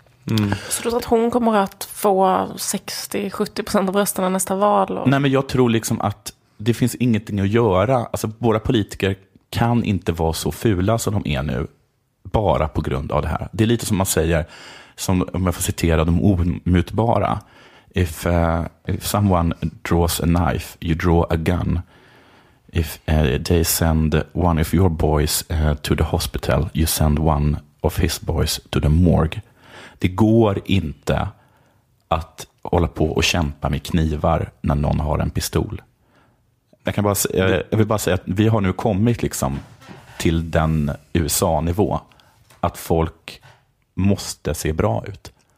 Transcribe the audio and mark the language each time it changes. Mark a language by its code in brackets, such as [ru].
[sv] Mm. Så du tror att hon kommer att få 60-70% av rösterna nästa val? Och... Nej, men jag tror liksom att det finns ingenting att göra. Alltså, våra politiker kan inte vara så fula som de är nu bara på grund av det här. Det är lite som man säger, som, om jag får citera, de omutbara. [en] If someone draws a knife, you draw a gun. If they send one of your boys to the hospital, you send one of his boys to the morgue. [sv] Det går inte att hålla på och kämpa med knivar när någon har en pistol. Jag vill bara säga att vi har nu kommit liksom till den USA-nivå att folk måste se bra ut.